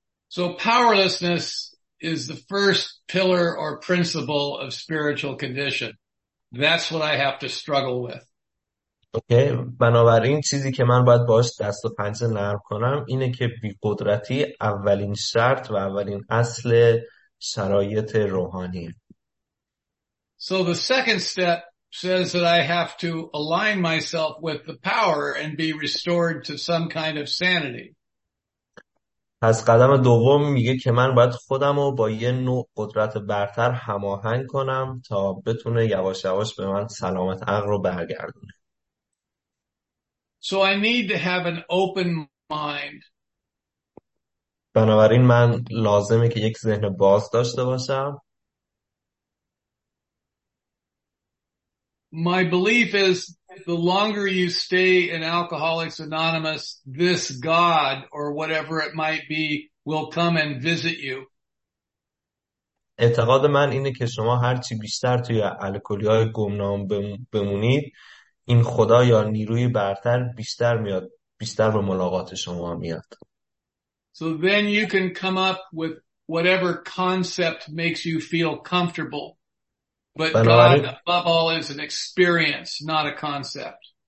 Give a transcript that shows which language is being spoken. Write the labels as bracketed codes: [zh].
[en] So powerlessness is the first pillar or principle of spiritual condition. That's what I have to struggle with. Okay. [fa] بنابراین چیزی که من باید باش دست و پنجه نرم کنم اینه که بیقدرتی اولین شرط و اولین اصل شرایط روحانی. [en] So the second step says that I have to align myself with the power and be restored to some kind of sanity. [fa] پس قدم دوم میگه که من باید خودم رو با یه نوع قدرت برتر هماهنگ کنم تا بتونه یواش یواش به من سلامت عقل رو برگردونه. [en] So I need to have an open mind. [fa] بنابراین من لازمه که یک ذهن باز داشته باشم. [en] My belief is the longer you stay in Alcoholics Anonymous, this God or whatever it might be will come and visit you. [fa] اعتقاد من اینه که شما هر چی بیشتر توی الکلی‌های گمنام بمونید، این خدا یا نیروی برتر بیشتر میاد، بیشتر به ملاقات شما میاد. [en] So then you can come up with whatever concept makes you feel comfortable. But God, above all, is an experience, not a concept.